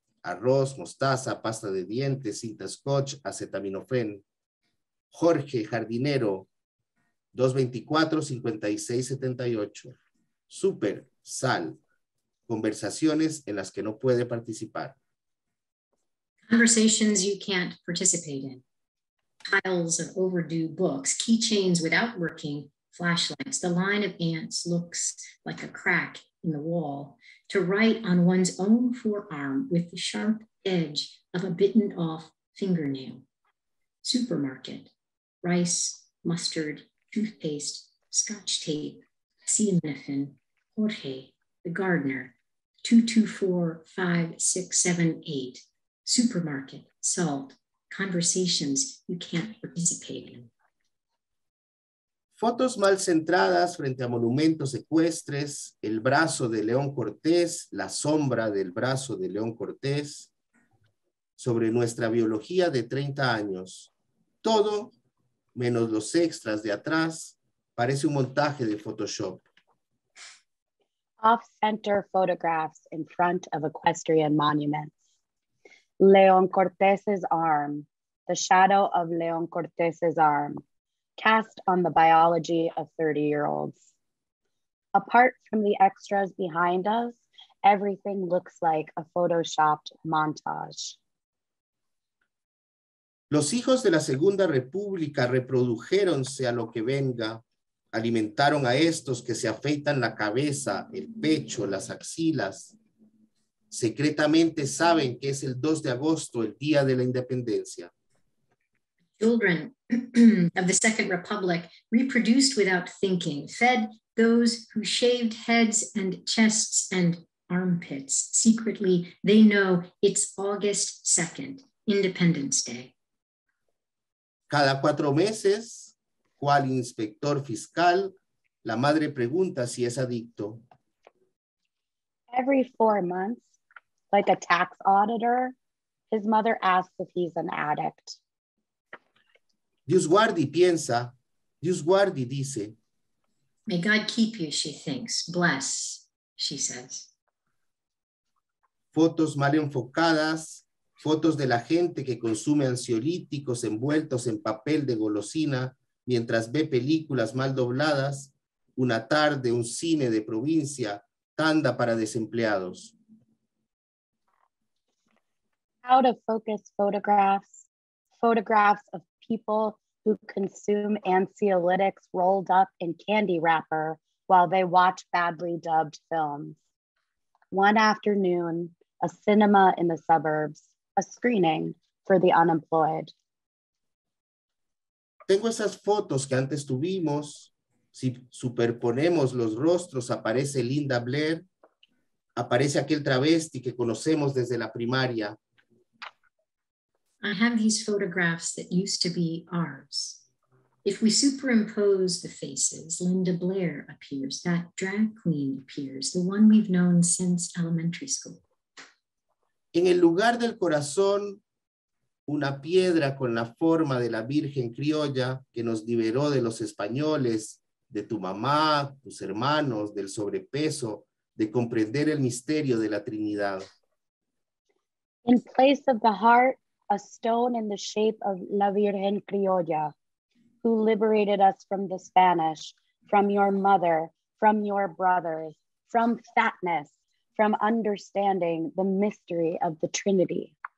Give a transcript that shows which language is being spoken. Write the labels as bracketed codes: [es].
[es] Arroz, mostaza, pasta de dientes, cinta scotch, acetaminofén. Jorge, jardinero, 224-5678. Súper, sal. Conversaciones en las que no puede participar. [en] conversations you can't participate in, piles of overdue books, keychains without working, flashlights, the line of ants looks like a crack in the wall, to write on one's own forearm with the sharp edge of a bitten off fingernail, supermarket, rice, mustard, toothpaste, scotch tape, acetaminophen, Jorge, the gardener, 2245678, supermarket, salt, conversations you can't participate in. [es] Fotos mal centradas frente a monumentos ecuestres, el brazo de León Cortés, la sombra del brazo de León Cortés, sobre nuestra biología de 30 años. Todo, menos los extras de atrás, parece un montaje de Photoshop. [en] Off-center photographs in front of equestrian monuments. León Cortés's arm, the shadow of León Cortés's arm, cast on the biology of 30-year-olds. Apart from the extras behind us, everything looks like a photoshopped montage. [es] Los hijos de la Segunda República reprodujéronse a lo que venga, alimentaron a estos que se afeitan la cabeza, el pecho, las axilas. Secretamente saben que es el 2 de agosto, el día de la independencia. [en] Children of the Second Republic reproduced without thinking, fed those who shaved heads and chests and armpits. Secretly, they know it's August 2nd, Independence Day. [es] Cada cuatro meses, cual inspector fiscal, la madre pregunta si es adicto. [en] Every 4 months, like a tax auditor, his mother asks if he's an addict. [es] Dios guardi, piensa. Dios guardi, dice. [en] May God keep you, she thinks. Bless, she says. [es] Fotos mal enfocadas. Fotos de la gente que consume ansiolíticos envueltos en papel de golosina mientras ve películas mal dobladas, una tarde, un cine de provincia, tanda para desempleados. [en] Out of focus photographs, photographs of people who consume ansiolytics rolled up in candy wrapper while they watch badly dubbed films. One afternoon, a cinema in the suburbs, a screening for the unemployed. [es] Tengo esas fotos que antes tuvimos. Si superponemos los rostros, aparece Linda Blair. Aparece aquel travesti que conocemos desde la primaria. [en] I have these photographs that used to be ours. If we superimpose the faces, Linda Blair appears. That drag queen appears, the one we've known since elementary school. [es] En el lugar del corazón, una piedra con la forma de la Virgen Criolla que nos liberó de los españoles, de tu mamá, tus hermanos, del sobrepeso, de comprender el misterio de la Trinidad. [en] In place of the heart, a stone in the shape of la Virgen Criolla, who liberated us from the Spanish, from your mother, from your brothers, from fatness, from understanding the mystery of the Trinity.